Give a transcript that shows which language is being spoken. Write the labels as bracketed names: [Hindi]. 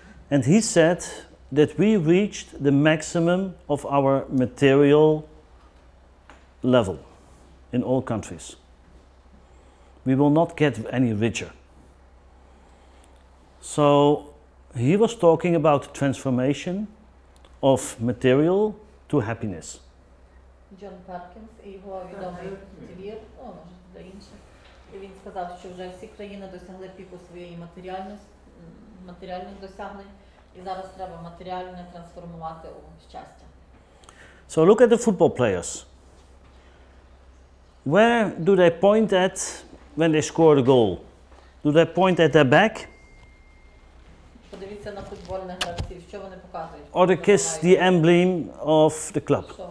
[English] And he said that we reached the maximum of our material level in all countries. We will not get any richer. So he was talking about the transformation of material to happiness. [Ukrainian] Джон Паркінс і його відомий твір, може, та інше. Він сказав, що вже всі країни досягли піку своєї матеріальних досягнень, і зараз треба матеріальне трансформувати у щастя. [English] So look at the football players. Where do they point at when they score a goal? Do they point at their back? [Ukrainian] Подивіться на футбольних гравців, що вони показують? [English] Or they kiss the emblem of the club?